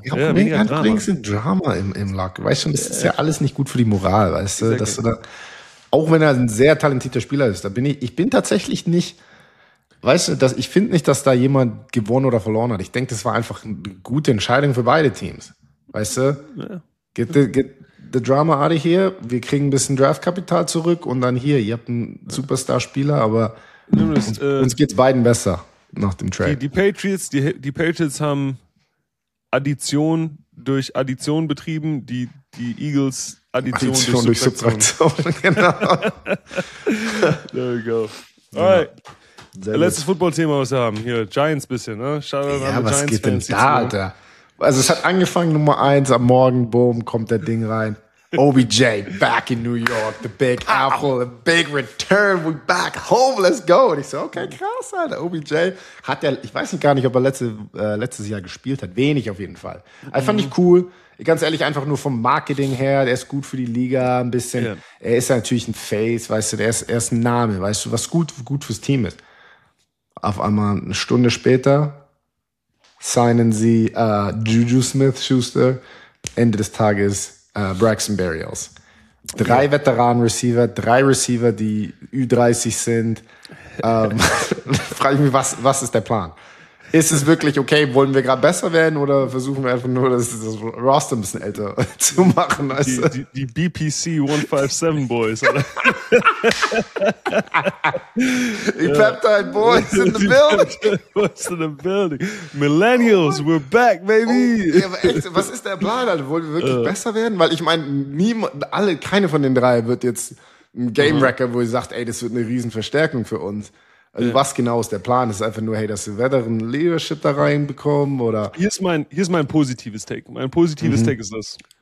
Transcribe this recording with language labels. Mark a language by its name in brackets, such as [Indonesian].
[German] Drama im Lock. Weißt du, das ist ja alles nicht gut für die Moral, weißt du? Dass du da, auch wenn er ein sehr talentierter Spieler ist, da bin ich bin tatsächlich nicht. Weißt du, ich finde nicht, dass da jemand gewonnen oder verloren hat. Ich denke, das war einfach eine gute Entscheidung für beide Teams. Weißt du? Ja. [English] Get the drama out of here. [German] Wir kriegen ein bisschen Draftkapital zurück und dann hier, ihr habt einen Superstar-Spieler, aber uns geht's beiden besser nach dem Trade. Die Patriots haben Addition durch Addition betrieben, die Eagles Addition durch Subtraktion. Genau. [English] There we go. All right. [German] Sehr letztes Football-Thema, was wir haben. Hier, Giants bisschen, ne? Was geht denn da, Alter? Also, es hat angefangen, Nummer 1, am Morgen, boom, kommt der Ding rein. [English] OBJ, back in New York, the big apple, the big return, we back home, let's go. [German] Und ich so, okay, krass, Alter, OBJ. Ich weiß gar nicht, ob er letztes Jahr gespielt hat. Wenig auf jeden Fall. Also, fand ich cool. Ganz ehrlich, einfach nur vom Marketing her, der ist gut für die Liga ein bisschen. Yeah. Er ist natürlich ein Face, weißt du, er ist ein Name, weißt du, was gut fürs Team ist. Auf einmal eine Stunde später signen sie Juju Smith-Schuster, Ende des Tages Braxton Berrios. Drei Veteranen-Receiver, drei Receiver, die Ü30 sind. frage ich mich, was ist der Plan? Ist es wirklich okay, wollen wir gerade besser werden oder versuchen wir einfach nur, das Roster ein bisschen älter zu machen? Weißt du? Die BPC 157 Boys, oder? [English] Die Peptide Boys in the building. Boys in the building. Millennials, we're back, baby. [German] Aber echt, was ist der Plan? Also, wollen wir wirklich besser werden? Weil ich meine, keine von den drei wird jetzt ein Game-Wrecker, wo sie sagt, ey, das wird eine Riesenverstärkung für uns. Also was genau ist der Plan? Ist es einfach nur, hey, dass wir Veteran Leadership da reinbekommen? Oder? Hier ist mein positives Take. Mein positives Take ist das.